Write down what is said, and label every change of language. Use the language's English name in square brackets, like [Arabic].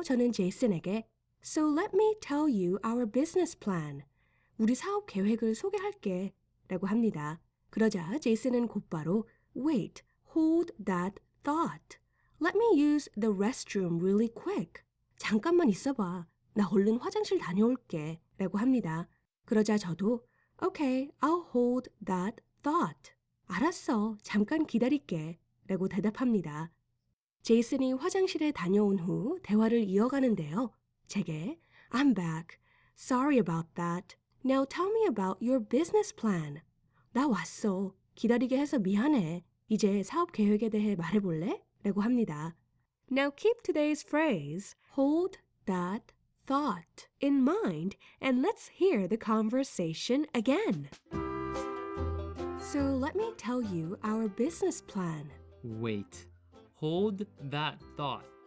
[English] So let me tell you our business plan. [Korean] 우리 사업 계획을 소개할게 라고 합니다. [English] 그러자 제이슨은 곧바로 Wait, hold that thought. Let me use the restroom really quick. [Korean] 잠깐만 있어봐. 나 얼른 화장실 다녀올게 라고 합니다. [English] 그러자 저도 Okay, I'll hold that thought. [Korean] 알았어, 잠깐 기다릴게 라고 대답합니다. 제이슨이 화장실에 다녀온 후 대화를 이어가는데요. [English] 제게 I'm back. Sorry about that. Now tell me about your business plan. [Korean] 나 왔어. 기다리게 해서 미안해. 이제 사업 계획에 대해 말해볼래? 라고 합니다. [English] Now keep today's phrase, hold that thought, in mind, and let's hear the conversation again. So let me tell you our business plan. Wait. Hold that thought.